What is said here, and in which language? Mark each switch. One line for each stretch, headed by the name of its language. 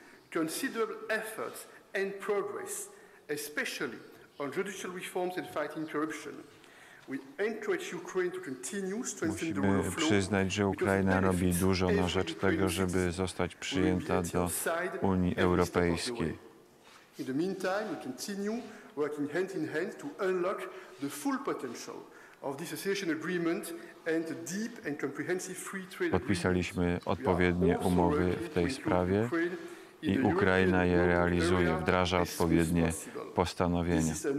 English: Considerable efforts and progress, especially on judicial reforms and fighting corruption. We encourage Ukraine to continue strengthening the rule of law.
Polish: Musimy przyznać, że Ukraina robi dużo na rzecz tego, żeby zostać przyjęta do Unii Europejskiej.
English: In the meantime, we continue working hand in hand to unlock the full potential of this association agreement and a deep and comprehensive free trade agreement.
Polish: Podpisaliśmy odpowiednie umowy w tej sprawie i Ukraina je realizuje, wdraża odpowiednie postanowienia.